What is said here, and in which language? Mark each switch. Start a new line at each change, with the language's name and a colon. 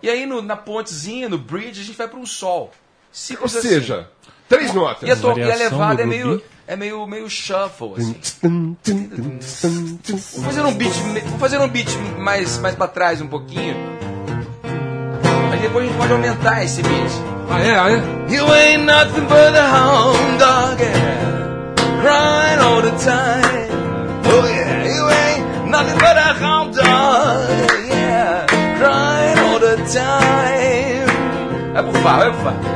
Portuguese: E aí na pontezinha, no bridge, a gente vai para um sol. Ciclos ou seja, assim. Três notas. E a levada é meio... É meio shuffle, assim. Vou fazer um beat mais pra trás um pouquinho. Aí depois a gente pode aumentar esse beat. Ah, é? Ah, é?
English: You ain't nothing but a hound dog, yeah. Crying all the time. Oh, yeah. You ain't nothing but a hound dog, yeah. Crying all the time.
Portuguese: É pro fá, é pro fá.